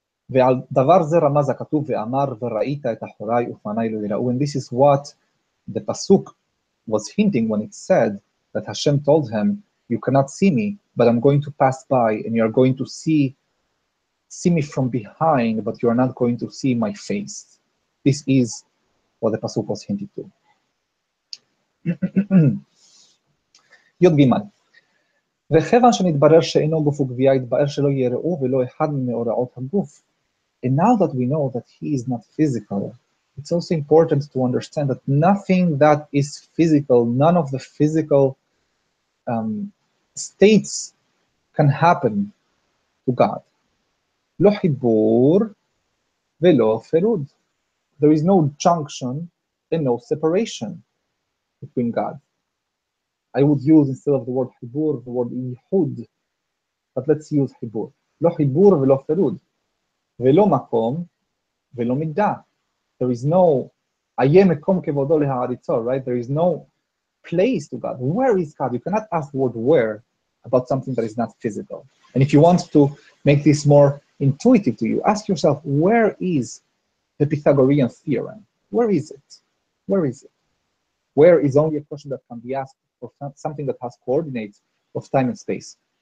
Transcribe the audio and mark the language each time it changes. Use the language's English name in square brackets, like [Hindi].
[English] And this is what the Pasuk was hinting when it said that Hashem told him, you cannot see me, but I'm going to pass by, and you're going to see me from behind, but you are not going to see my face. This is what the Pasuk was hinting to. Yod Gimal. [Hebrew] וכיוון שנתברר שאינו גוף וגבייה, התברר שלא יראו ולא אחד ממאורעות הגוף. [English] And now that we know that he is not physical, it's also important to understand that nothing that is physical, none of the physical states can happen to God. [Hebrew] לא חיבור ולא פירוד. [English] There is no junction and no separation between God. I would use, instead of the word חיבור, the word ייחוד, but let's use חיבור. [Hebrew] לא חיבור ולא פירוד. ולא מקום ולא מידה. [English] There is no [Hebrew] איה מקום כבודו להעריצו, [English] right? There is no place to God. Where is God? You cannot ask the word where about something that is not physical. And if you want to make this more intuitive to you, ask yourself, where is the Pythagorean theorem? Where is it? Where is it? Where is only a question that can be asked for something that has coordinates of time and space.